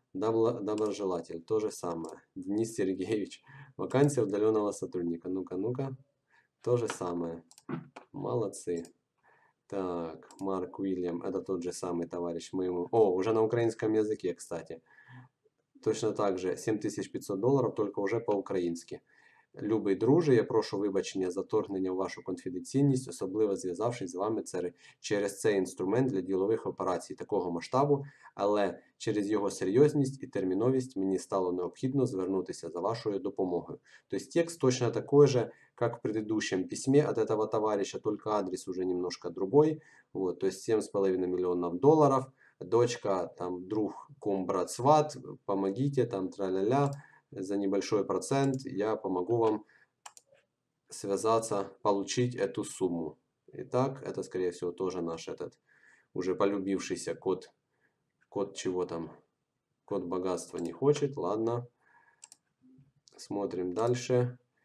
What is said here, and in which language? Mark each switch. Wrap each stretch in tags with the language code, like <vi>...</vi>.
<ru>Доброжелатель, то же самое. Денис Сергеевич, вакансия удаленного сотрудника. Ну-ка, то же самое. Молодцы. Так, Марк Уильям, это тот же самый товарищ. Мы ему... О, уже на украинском языке, кстати. Точно так же, 7500 долларов, только уже по-украински.</ru> <uk>Любий друже, я прошу вибачення за вторгнення в вашу конфіденційність, особливо зв'язавшись з вами через цей інструмент для ділових операцій такого масштабу, але через його серйозність і терміновість мені стало необхідно звернутися за вашою допомогою. Тобто текст точно такий же, як в предыдущому письмі від цього товариша, тільки адрес вже</uk> <ru>немножко другой. Вот, то есть 7,5</ru> <uk>мільйонів доларів,</uk> <ru>дочка, там, друг, кум, брат, сват, помогите, там, тра-ля-ля. За небольшой процент я помогу вам связаться, получить эту сумму. Итак, это, скорее всего, тоже наш этот уже полюбившийся код чего там, код богатства не хочет. Ладно, смотрим дальше.</ru>